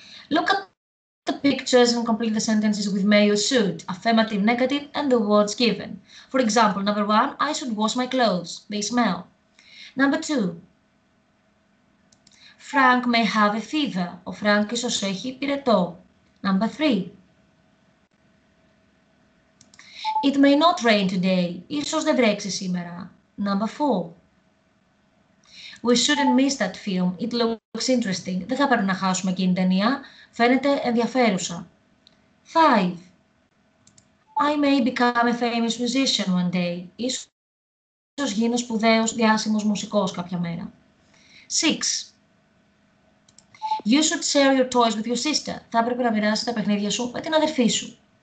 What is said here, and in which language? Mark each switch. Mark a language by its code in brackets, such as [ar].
[en] Look at the pictures and complete the sentences with may or should. Affirmative, negative and the words given. For example, number 1, I should wash my clothes. They smell. Number 2, Frank may have a fever. [el] Ο Frank ίσως έχει πυρετό. [en] Number 3, It may not rain today. [el] Ίσως δεν βρέξει σήμερα. [en] Number 4. We shouldn't miss that film. It looks interesting. [el] Δεν θα πρέπει να χάσουμε εκείνη την ταινία. Φαίνεται ενδιαφέρουσα. 5. [en] I may become a famous musician one day. [el] Ίσως γίνω σπουδαίος διάσημος μουσικός κάποια μέρα. [en] 6. You should share your toys with your sister. [el] Θα πρέπει να μοιράσεις τα παιχνίδια σου με την αδερφή σου.